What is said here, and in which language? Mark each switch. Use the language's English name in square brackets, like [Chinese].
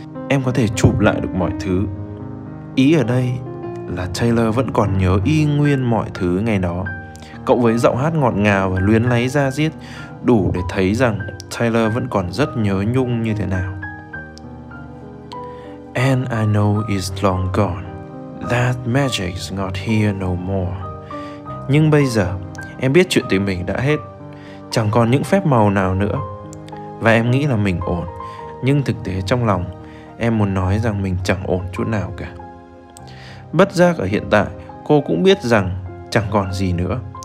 [Vietnamese] Em có thể chụp lại được mọi thứ. Ý ở đây là Taylor vẫn còn nhớ y nguyên mọi thứ ngày đó. Cộng với giọng hát ngọt ngào và luyến láy da diết, đủ để thấy rằng Taylor vẫn còn rất nhớ nhung như thế nào. [English] And I know it's long gone. That magic's not here no more. [Vietnamese] Nhưng bây giờ, em biết chuyện tình mình đã hết. Chẳng còn những phép màu nào nữa. Và em nghĩ là mình ổn. Nhưng thực tế trong lòng, em muốn nói rằng mình chẳng ổn chỗ nào cả. Bất giác ở hiện tại, cô cũng biết rằng chẳng còn gì nữa.